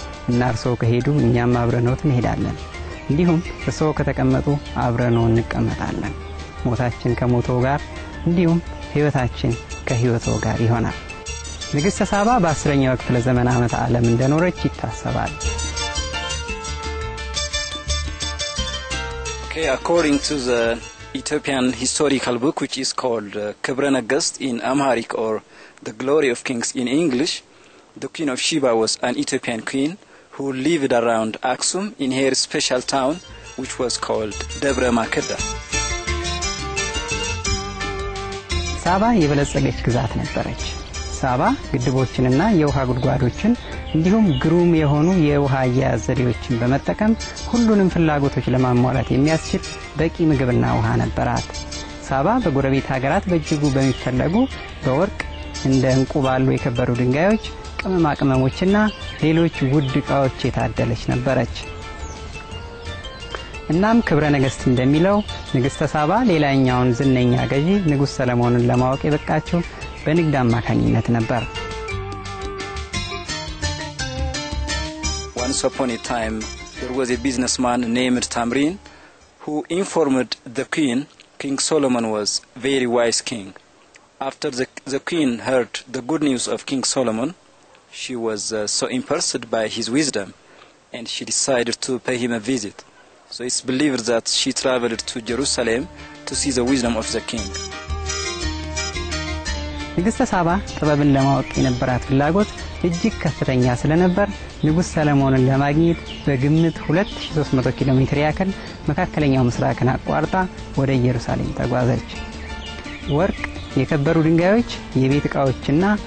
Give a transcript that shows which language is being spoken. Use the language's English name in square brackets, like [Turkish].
[Amharic] እና እርሶ ከሄዱ እኛም አብረነዎት እንሄዳለን። እንዲሁም እርሶ ከተቀመጡ አብረነው እንቀመጣለን። ሞታችን ከሞቶ ጋር እንዲሁም ህይወታችን ከህይወቶ ጋር ይሆናል። ንግስተ ሳባ በ10ኛው ክፍለ ዘመን ዓመተ ዓለም እንደኖረች ይታሰባል። [English] Okay, according to the Ethiopian historical book which is called Kibra Nagast in Amharic or The Glory of Kings in English, the Queen of Sheba was an Ethiopian queen who lived around Aksum in her special town which was called Debre Makeda. [Amharic] ሳባ የበለጸገች ግዛት ነበረች። ሳባ ግድቦችንና የውሃ ጉድጓዶችን እንዲሁም ግሩም የሆኑ የውሃ አያያዝ ዘዴዎችን በመጠቀም ሁሉንም ፍላጎቶች ለማሟላት የሚያስችል በቂ ምግብና ውሃ ነበራት። ሳባ በጎረቤት ሀገራት በእጅጉ በሚፈለጉ በወርቅ እንደ እንቁ ባሉ የከበሩ ድንጋዮች፣ ቅመማ ቅመሞችና ሌሎች ውድ ዕቃዎች የታደለች ነበረች። እናም ክብረ ነገስት እንደሚለው ንግስተ ሳባ ሌላኛውን ዝነኛ ገዢ ንጉስ ሰለሞንን ለማወቅ የበቃችው በንግድ አማካኝነት ነበር። [English] Once upon a time there was a businessman named Tamrin who informed the queen King Solomon was a very wise king. After the queen heard the good news of King Solomon, she was so impressed by his wisdom and she decided to pay him a visit. So it's believed that she traveled to Jerusalem to see the wisdom of the king. [Amharic] ንግስተ ሳባ ጥበብን ለማወቅ የነበራት ፍላጎት እጅግ ከፍተኛ ስለነበር ንጉስ ሰለሞንን ለማግኘት በግምት 2300 ኪሎ ሜትር ያክል መካከለኛው ምስራቅን አቋርጣ ወደ ኢየሩሳሌም ተጓዘች። ወርቅ፣ የከበሩ ድንጋዮች፣ የቤት ዕቃዎችና